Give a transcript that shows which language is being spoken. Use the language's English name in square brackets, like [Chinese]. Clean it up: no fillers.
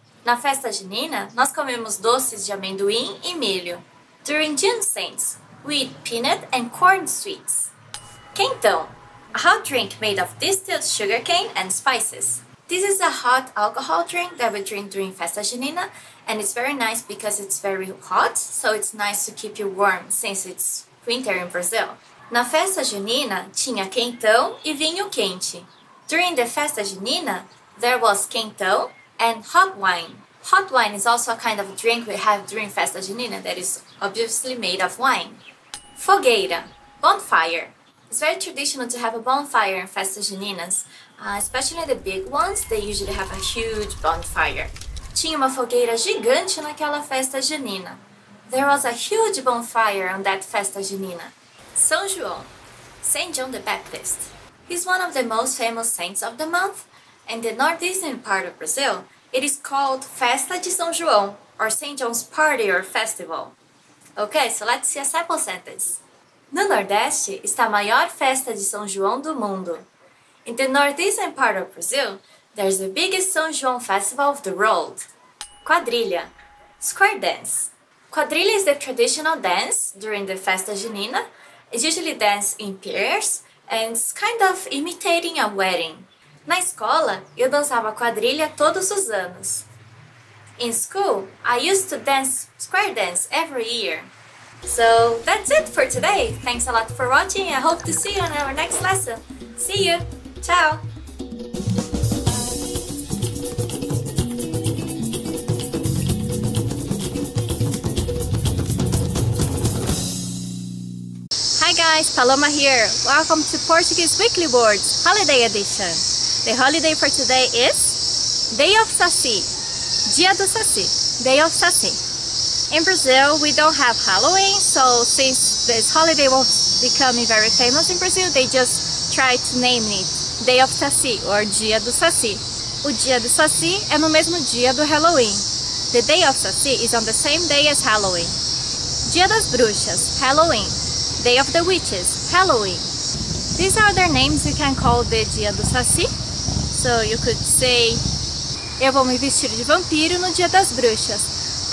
[Portuguese] Na festa junina, nós comemos doces de amendoim e milho. [English] During June Saints, we eat peanut and corn sweets. Quentão, a hot drink made of distilled sugarcane and spices. This is a hot alcohol drink that we drink during Festa Junina and it's very nice because it's very hot, so it's nice to keep you warm since it's winter in Brazil. [Portuguese] Na Festa Junina tinha quentão e vinho quente. [English] During the Festa Junina, there was quentão and hot wine. Hot wine is also a kind of drink we have during Festa Junina that is obviously made of wine. Fogueira, bonfire. It's very traditional to have a bonfire in Festa Juninas. Especially the big ones, they usually have a huge bonfire. [Portuguese] Tinha uma fogueira gigante naquela festa junina. [English] There was a huge bonfire on that festa junina. São João, Saint John the Baptist. He's one of the most famous saints of the month. In the northeastern part of Brazil, it is called Festa de São João, or Saint John's Party or Festival. Okay, so let's see a sample sentence. [Portuguese] No Nordeste está a maior festa de São João do mundo. [English] In the northeastern part of Brazil, there's the biggest São João festival of the world. Quadrilha, square dance. Quadrilha is the traditional dance during the Festa Junina. It's usually danced in pairs and it's kind of imitating a wedding. [Portuguese] Na escola, eu dançava quadrilha todos os anos. [English] In school, I used to dance square dance every year. So that's it for today. Thanks a lot for watching. I hope to see you on our next lesson. See you! Ciao! Hi guys, Paloma here. Welcome to Portuguese Weekly Words, Holiday Edition. The holiday for today is Day of Saci. Dia do Saci. Day of Saci. In Brazil, we don't have Halloween, so since this holiday was becoming very famous in Brazil, they just tried to name it Day of Saci or Dia do Saci. [Portuguese] O Dia do Saci é no mesmo dia do Halloween. [English] The Day of Saci is on the same day as Halloween. Dia das Bruxas, Halloween. Day of the Witches, Halloween. These are their names you can call the Dia do Saci. So you could say, [Portuguese] eu vou me vestir de vampiro no Dia das Bruxas.